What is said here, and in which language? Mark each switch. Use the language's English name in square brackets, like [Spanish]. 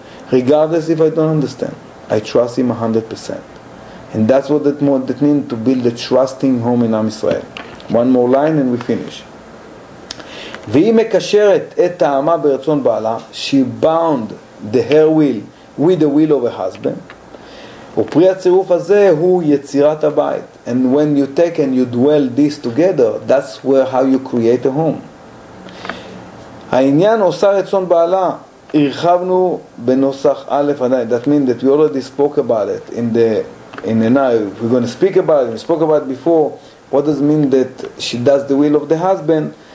[English] Regardless if I don't understand, I trust him 100%. And that's what that means, to build a trusting home in Am Yisrael. One more line and we finish. [Hebrew] והיא מקשרת את טעמה ברצון בעלה, [English] she bound the her will with the will of her husband. [Hebrew] ופרי הצירוף הזה הוא יצירת הבית. [English] And when you take and you dwell this together, that's where how you create a home. [Hebrew] העניין עושה רצון בעלה, הרחבנו בנוסח א', [English] that means that we already spoke about it in the, we're going to speak about it, we spoke about it before, what does it mean that she does the will of the husband?